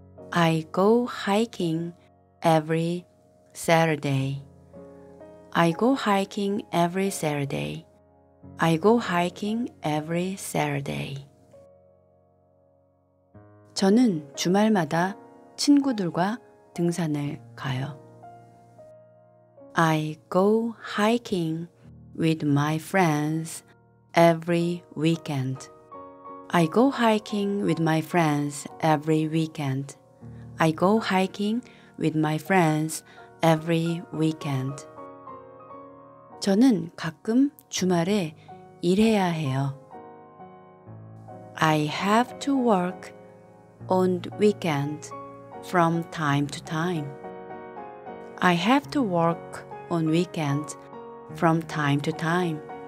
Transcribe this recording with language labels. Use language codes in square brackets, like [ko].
[en] I go hiking every Saturday. I go hiking every Saturday. I go hiking every Saturday. [ko] 저는 주말마다 친구들과 등산을 가요. [en] I go hiking with my friends every weekend. I go hiking with my friends every weekend. I go hiking with my friends every weekend. [ko] 저는 가끔 주말에 일해야 해요. [en] I have to work on weekend from time to time. I have to work on weekend from time to time.